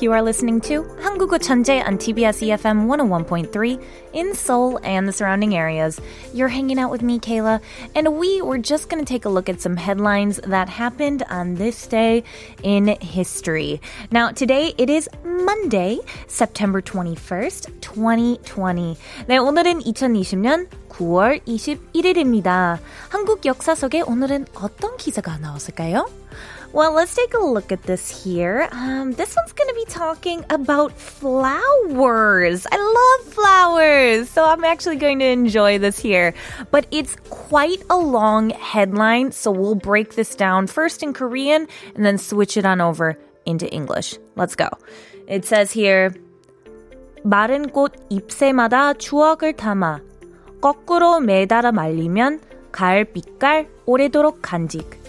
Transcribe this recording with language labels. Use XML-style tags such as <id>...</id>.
<en>You are listening to 한국어 천재 on TBS EFM 101.3 in Seoul and the surrounding areas. You're hanging out with me, Kayla, and we were just going to take a look at some headlines that happened on this day in history. Now, today it is Monday, September 21st, 2020.</en> <ko>네, 오늘은 2020년 9월 21일입니다. 한국 역사 속에 오늘은 어떤 기사가 나왔을까요?</ko> <en>Well, let's take a look at this here. This one's going to be talking about flowers. I love flowers, so I'm actually going to enjoy this here. But it's quite a long headline, so we'll break this down first in Korean and then switch it on over into English. Let's go. It says here,</en> <ko>마른 꽃 잎새마다 추억을 담아 거꾸로 매달아 말리면 가을 빛깔 오래도록 간직.</ko>